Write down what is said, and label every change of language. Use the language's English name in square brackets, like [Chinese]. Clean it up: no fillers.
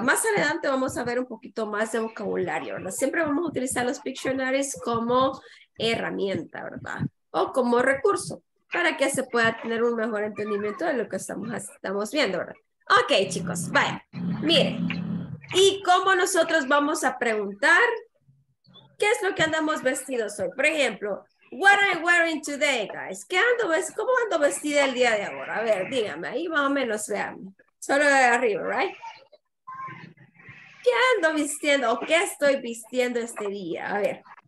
[Spanish] Más adelante vamos a ver un poquito más de vocabulario, ¿verdad? Siempre vamos a utilizar los Pictionaries como herramienta, ¿verdad? O como recurso para que se pueda tener un mejor entendimiento de lo que estamos viendo, ¿verdad? Ok, chicos, vaya. Miren. ¿Y cómo nosotros vamos a preguntar qué es lo que andamos vestidos hoy? Por ejemplo, [English] what are you wearing today, guys? [Spanish] ¿Cómo ando vestida el día de ahora? A ver, dígame, ahí más o menos vean. Solo de arriba, right? ¿Qué ando vistiendo o qué estoy vistiendo este día? A ver.